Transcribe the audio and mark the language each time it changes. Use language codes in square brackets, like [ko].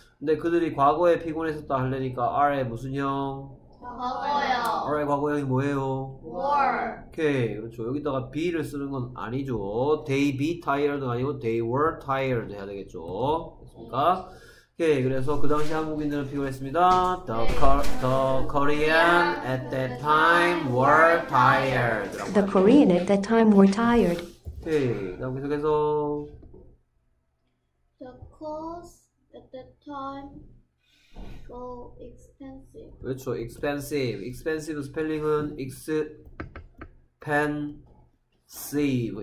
[ko] 근데 그들이 과거에 피곤했었다 하려니까 are의 무슨 형? 과거요. are의 과거형이 뭐예요? [en] War. [ko] 오케이, 그렇죠. 여기다가 be를 쓰는 건 아니죠. [en] They be tired [ko] 아니고 [en] they were tired [ko] 해야 되겠죠. 그렇습니까? 오케이, 그래서 그 당시 한국인들은 피곤했습니다. [en] The Korean at that time were tired 라고 The Korean at that time were tired. [ko] 하죠. 오케이, 그 다음 계속해서 [en] The clothes at that time go expensive. [ko] 그렇죠. expensive. expensive 스펠링은 expensive.